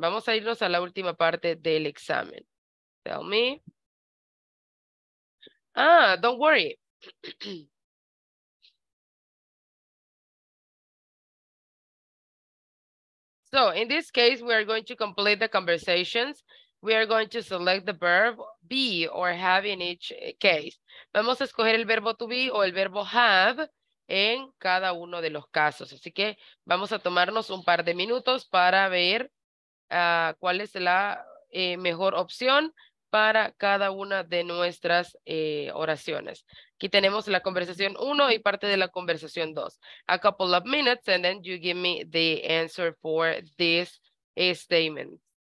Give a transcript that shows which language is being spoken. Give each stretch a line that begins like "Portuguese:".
Spanish: Vamos a irnos a la última parte del examen.
English: Tell me. Don't worry. So in this case, we are going to complete the conversations We are going to select the verb be or have in each case.
Spanish: Vamos a escoger el verbo to be o el verbo have en cada uno de los casos. Así que vamos a tomarnos un par de minutos para ver cuál es la mejor opción para cada una de nuestras oraciones. Aquí tenemos la conversación 1 y parte de la conversación 2.
English: A couple of minutes and then you give me the answer for this statement.